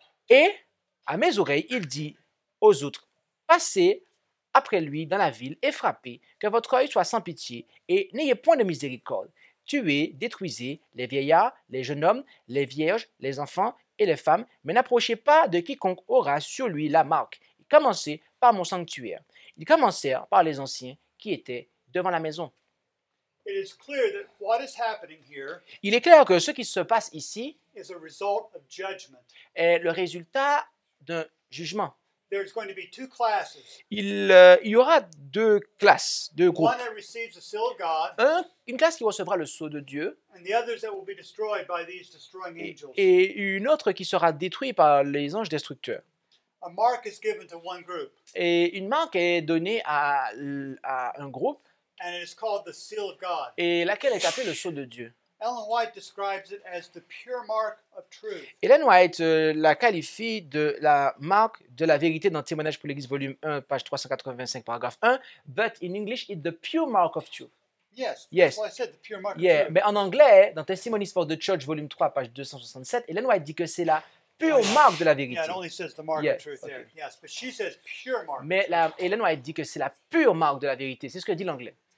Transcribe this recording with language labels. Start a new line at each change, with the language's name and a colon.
French: Et à mes oreilles, il dit aux autres, passez après lui dans la ville et frappez, que votre œil soit sans pitié et n'ayez point de miséricorde. Tuez, détruisez les vieillards, les jeunes hommes, les vierges, les enfants et les femmes, mais n'approchez pas de quiconque aura sur lui la marque. Commencez par mon sanctuaire. Ils commencèrent par les anciens qui étaient devant la maison.
English: It is clear that what is happening here,
French: il est clair que ce qui se passe ici
English: is a result of judgment.
French: Est le résultat d'un jugement.
English: There is going to be two classes.
French: Il y aura deux classes, deux groupes.
English: One that receives the seal of God,
French: une classe qui recevra le sceau de Dieu
English: and the others that will be destroyed by these destroying angels.
French: Et une autre qui sera détruite par les anges destructeurs.
English: A mark is given to one group.
French: Et une marque est donnée à un groupe.
English: And it is called the seal of God.
French: Et laquelle est appelée le sceau de Dieu.
English: Ellen White describes it as the pure mark of truth.
French: Ellen White la qualifie de la marque de la vérité dans Témoignage pour l'Église, volume 1, page 385, paragraphe 1.
English: But in English, it's the pure mark of truth. Yes. Well, I said the pure mark of truth.
French: Mais en anglais, dans Testimonies for the Church, volume 3, page 267, Ellen White dit que c'est la pure marque de la vérité.
English: Yeah, it only says the mark of truth there. Yes, but she says pure mark.
French: Mais Ellen White dit que c'est la pure marque de la vérité. C'est ce que dit l'anglais.